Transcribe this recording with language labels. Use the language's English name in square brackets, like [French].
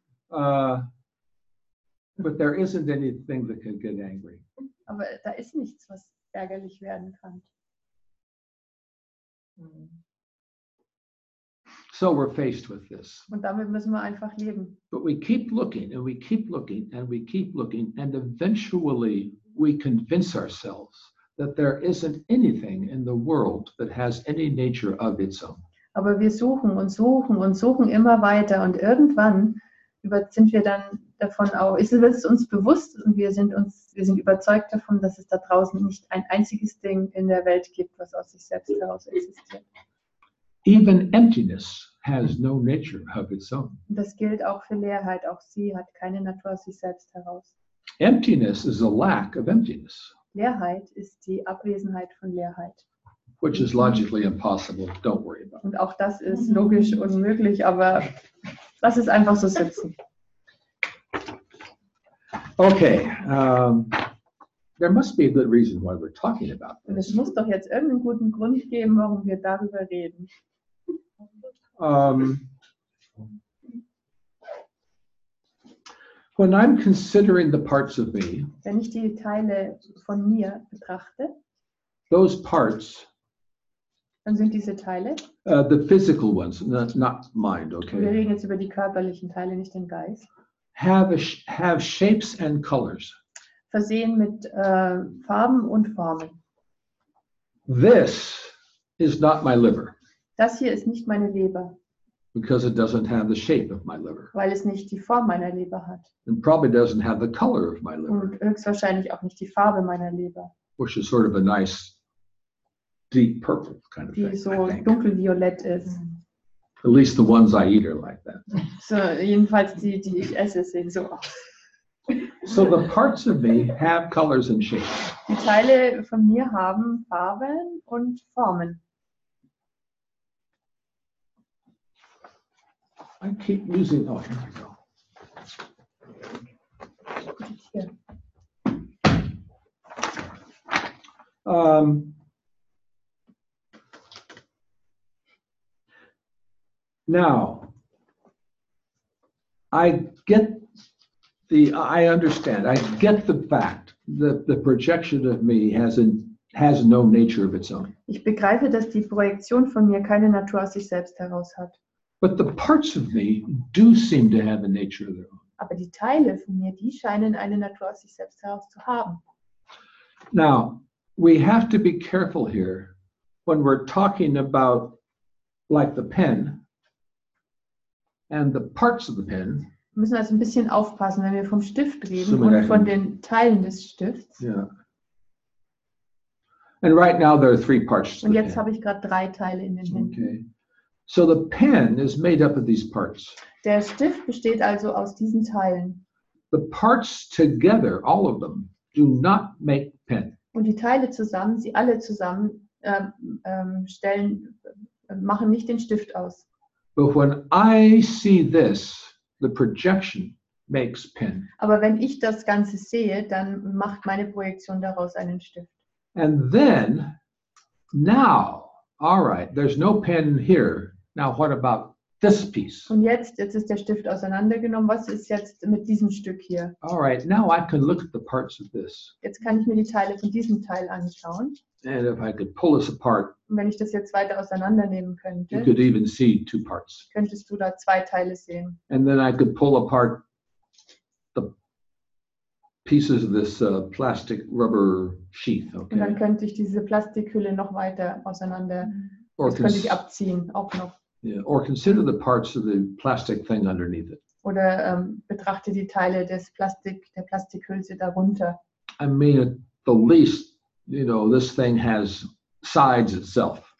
[English] But there isn't anything that can get angry. [German] Aber da ist nichts, was ärgerlich werden kann. [English] So we're faced with this. [German] Und damit müssen wir einfach leben. [English] But we keep looking and we keep looking and we keep looking and eventually we convince ourselves that there isn't anything in the world that has any nature of its own. [German] Aber wir suchen und suchen und suchen immer weiter und irgendwann sind wir dann davon auch, ist es uns bewusst und wir sind überzeugt davon, dass es da draußen nicht ein einziges Ding in der Welt gibt, was aus sich selbst heraus existiert. [English] Even emptiness has no nature of its own. [German] Das gilt auch für Leerheit, auch sie hat keine Natur aus sich selbst heraus. [English] Emptiness is a lack of emptiness. [German] Leerheit ist die Abwesenheit von Leerheit. [English] Which is logically impossible, don't worry about it. [German] Und auch das ist logisch unmöglich, aber lass es einfach so sitzen. [English] Okay, there must be a good reason why we're talking about this. [German] Es muss doch jetzt irgendeinen guten Grund geben, warum wir darüber reden. [English] When I'm considering the parts of me, [German] wenn ich die Teile von mir betrachte, [English] those parts, [German] dann sind diese Teile, [English] the physical ones, not mind, okay. [German] Wir reden jetzt über die körperlichen Teile, nicht den Geist. [English] Have shapes and colors. [German] Versehen mit Farben und Formen. [English] This is not my liver. [German] Das hier ist nicht meine Leber. [English] Because it doesn't have the shape of my liver. [German] Weil es nicht die Form meiner Leber hat. [English] And probably doesn't have the color of my liver. [German] Und höchstwahrscheinlich auch nicht die Farbe meiner Leber. [English] Which is sort of a nice deep purple kind of thing. [German] Die so dunkelviolett ist. [English] At least the ones I eat are like that. [German] So jedenfalls die ich esse sehen so aus. [English] So the parts of me have colors and shapes. [German] Die Teile von mir haben Farben und Formen. [English] I keep using. Oh, here we go. Now, I get the fact that the projection of me has no nature of its own. [German] Ich begreife, dass die Projektion von mir keine Natur aus sich selbst heraus hat. [English] But the parts of me do seem to have a nature of their own. [German] Aber die Teile von mir, die scheinen eine Natur aus sich selbst heraus zu haben. [English] Now, we have to be careful here when we're talking about like the pen and the parts of the pen. [German] Wir müssen also ein bisschen aufpassen, wenn wir vom Stift reden und von den Teilen des Stifts. [English] Yeah. And right now there are three parts to the pen. [German] Und jetzt habe ich gerade drei Teile in den Händen. [English] Okay. So the pen is made up of these parts. [German] Der Stift besteht also aus diesen Teilen. [English] The parts together, all of them, do not make pen. [German] Und die Teile zusammen, sie alle zusammen, stellen, machen nicht den Stift aus. [English] But when I see this, the projection makes pen. [German] Aber wenn ich das Ganze sehe, dann macht meine Projektion daraus einen Stift. [English] And then, now, all right, there's no pen here. Now what about this piece? [German] Und jetzt ist der Stift auseinandergenommen. Was ist jetzt mit diesem Stück hier? [English] All right, now I can look at the parts of this. [German] Jetzt kann ich mir die Teile von diesem Teil anschauen. [English] And if I could pull this apart. [German] Und wenn ich das jetzt weiter auseinandernehmen könnte. [English] You could even see two parts. [German] Könntest du da zwei Teile sehen? [English] And then I could pull apart the pieces of this plastic rubber sheath, okay? [German] Und dann könnte ich diese Plastikhülle noch weiter auseinander, [English] or [German] das könnte ich abziehen, auch noch. [English] Yeah, or consider the parts of the plastic thing underneath it. [German] Oder betrachte die Teile des Plastik, der Plastikhülse darunter. [English] I mean, at the least, you know, this thing has sides itself.